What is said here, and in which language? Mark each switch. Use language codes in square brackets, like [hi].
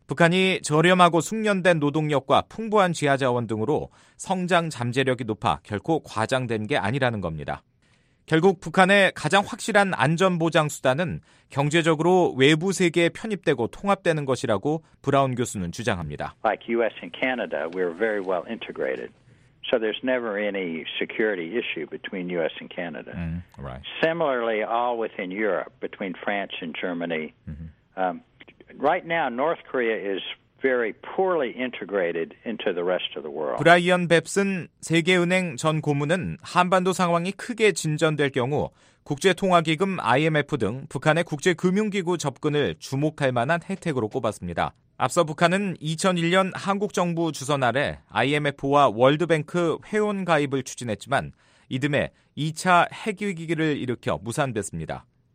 [ko] 북한이 저렴하고 숙련된 노동력과 풍부한 지하자원 등으로 성장 잠재력이 높아 결코 과장된 게 아니라는 겁니다. 결국 북한의 가장 확실한 안전보장 수단은 경제적으로 외부 세계에 편입되고 통합되는 것이라고 브라운 교수는 주장합니다. [en] Like US and Canada, we're very well integrated. So there's never any security issue between US and Canada. Right. Similarly, all within Europe, between France and Germany. Right now, North Korea is very poorly integrated into the rest of the world. [ko] 브라이언 뱁슨 세계은행 전 고문은 한반도 상황이 크게 진전될 경우 국제통화기금 IMF 등 북한의 국제금융기구 접근을 주목할 만한 혜택으로 꼽았습니다. 앞서 북한은 2001년 한국 정부 주선 아래 IMF와 월드뱅크 회원 가입을 추진했지만 이듬해 2차 핵위기를 일으켜 무산됐습니다.